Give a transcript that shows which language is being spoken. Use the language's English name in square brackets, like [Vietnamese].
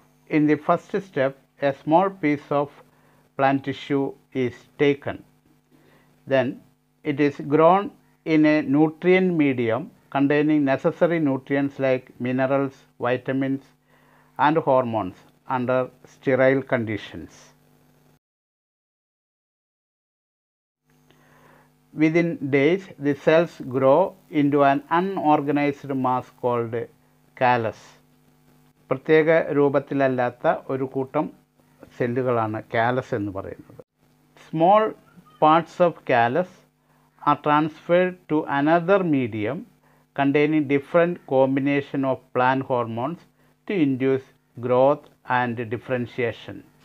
[English] In the first step a small piece of plant tissue is taken. Then it is grown in a nutrient medium containing necessary nutrients like minerals, vitamins and hormones under sterile conditions. Within days, the cells grow into an unorganized mass called callus. [Malayalam] പ്രത്യേക രൂപത്തിലല്ലാത്ത ഒരു കൂട്ടം സെല്ലുകളാണ് callus എന്ന് പറയുന്നത്. [English] Small parts of callus are transferred to another medium containing different combination of plant hormones to induce growth and differentiation.